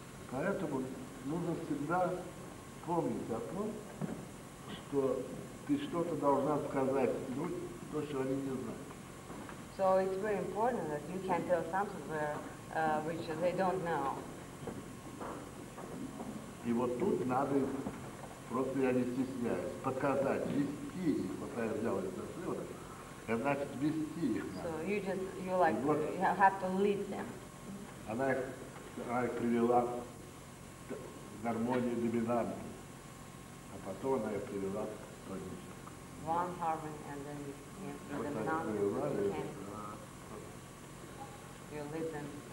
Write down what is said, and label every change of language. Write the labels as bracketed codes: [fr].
[ru] Поэтому нужно всегда помнить о том, что ты что-то должна сказать людям, то, что они не знают. [en] So it's very important that you can tell something where, which they don't know. [ru] И вот тут надо. Просто я не стесняюсь показать, вести их, вот я взял это слово, это значит вести их. [en] So you just, you like, вот, you have to lead them. [ru] Она их привела к гармонии доминанта, а потом она их привела к тонничку. [en] One harmony and then you вот came to [ru] доминанта. [en] You lead them.